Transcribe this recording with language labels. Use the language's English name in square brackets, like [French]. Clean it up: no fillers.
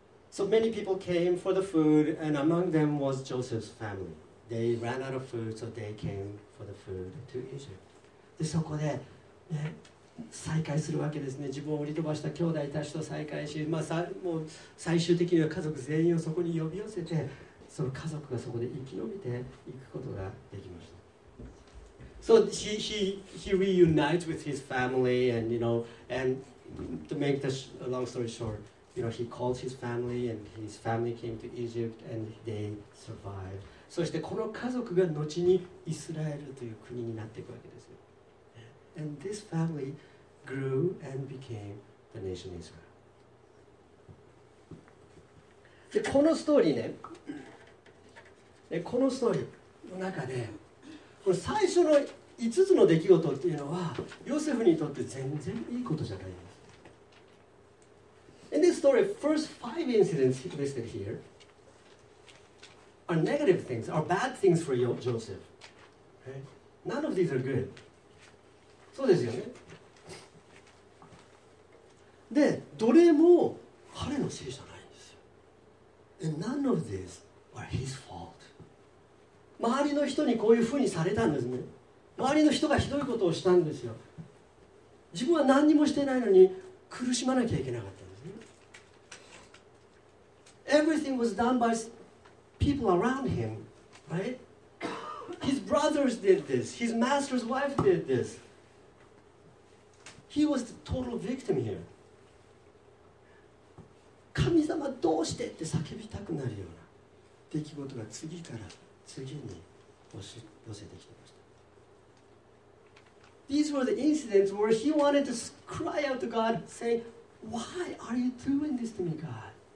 [English] So many people came for the food, and among them was Joseph's family. They ran out of food, so they came for the food to Egypt. [Japanese] で、そこで、ね、再会するわけですね。自分を売り飛ばした兄弟たちと再会し、まあ、もう最終的には家族全員をそこに呼び寄せて、その家族がそこで生き延びていくことができました。 [English] So he reunites with his family, and you know, and to make the long story short,You know, he called his family, and his family came to Egypt, and they survived. [Japanese] そしてこの家族が後にイスラエルという国になっていくわけですよ。 [English] And this family grew and became the nation Israel. [Japanese] で、このストーリーね、このストーリーの中で、この最初の5つの出来事っていうのは、ヨセフにとって全然いいことじゃないです。 [English] In this story, first five incidents listed here are negative things, are bad things for Joseph. Right? None of these are good. [Japanese] そうですよね。で、どれも彼のせいじゃないんですよ。 [English] And none of these are his fault. [Japanese] 周りの人にこういうふうにされたんですね。周りの人がひどいことをしたんですよ。自分は何にもしてないのに苦しまなきゃいけなかった。 [English] Everything was done by people around him, right? His brothers did this. His master's wife did this. He was the total victim here. [Japanese] 神様どうしてって叫びたくなるような出来事が次から次に寄せてきてました。 [English] These were the incidents where he wanted to cry out to God, saying, "Why are you doing this to me, God?"